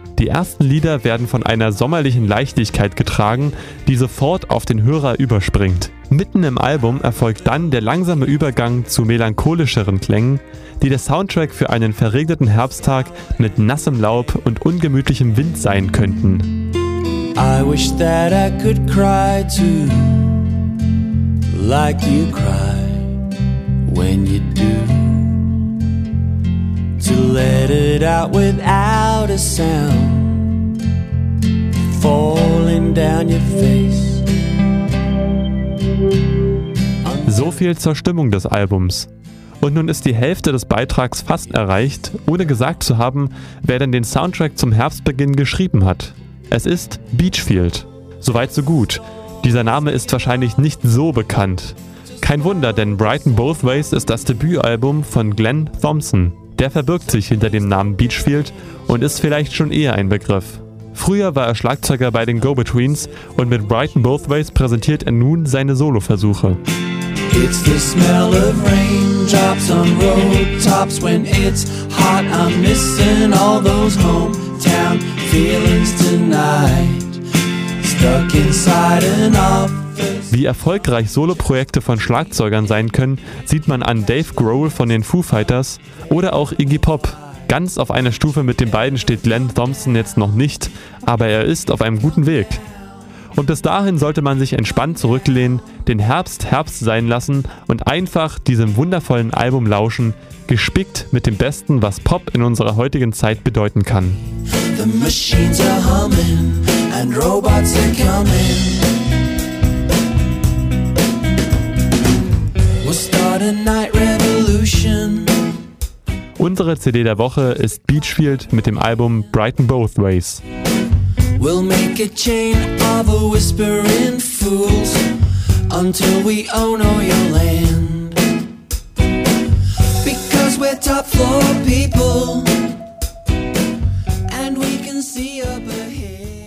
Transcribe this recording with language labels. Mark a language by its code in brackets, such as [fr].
[de] Die ersten Lieder werden von einer sommerlichen Leichtigkeit getragen, die sofort auf den Hörer überspringt. Mitten im Album erfolgt dann der langsame Übergang zu melancholischeren Klängen, die der Soundtrack für einen verregneten Herbsttag mit nassem Laub und ungemütlichem Wind sein könnten. [en] I wish that I could cry too, like you cry when you do. To let it out without a sound, falling down your face. [de] So viel zur Stimmung des Albums. Und nun ist die Hälfte des Beitrags fast erreicht, ohne gesagt zu haben, wer denn den Soundtrack zum Herbstbeginn geschrieben hat. Es ist Beachfield. Soweit so gut. Dieser Name ist wahrscheinlich nicht so bekannt. Kein Wunder, denn Brighton Both Ways ist das Debütalbum von Glenn Thompson. Der verbirgt sich hinter dem Namen Beachfield und ist vielleicht schon eher ein Begriff. Früher war er Schlagzeuger bei den Go-Betweens und mit Brighton Both Ways präsentiert er nun seine Solo-Versuche. [en] It's the smell of raindrops on rooftops when it's hot. I'm missing all those hometown feelings tonight. Stuck inside an office. [de] Wie erfolgreich Solo-Projekte von Schlagzeugern sein können, sieht man an Dave Grohl von den Foo Fighters oder auch Iggy Pop. Ganz auf einer Stufe mit den beiden steht Glenn Thompson jetzt noch nicht, aber er ist auf einem guten Weg. Und bis dahin sollte man sich entspannt zurücklehnen, den Herbst Herbst sein lassen und einfach diesem wundervollen Album lauschen, gespickt mit dem Besten, was Pop in unserer heutigen Zeit bedeuten kann. [en] The machines are humming and robots are coming. We'll start a night revolution. [de] Unsere CD der Woche ist Beachfield mit dem Album Brighton Both Ways. [en] We'll make a chain of a whispering fools until we own all your land. Because we're top floor people and we can see up ahead.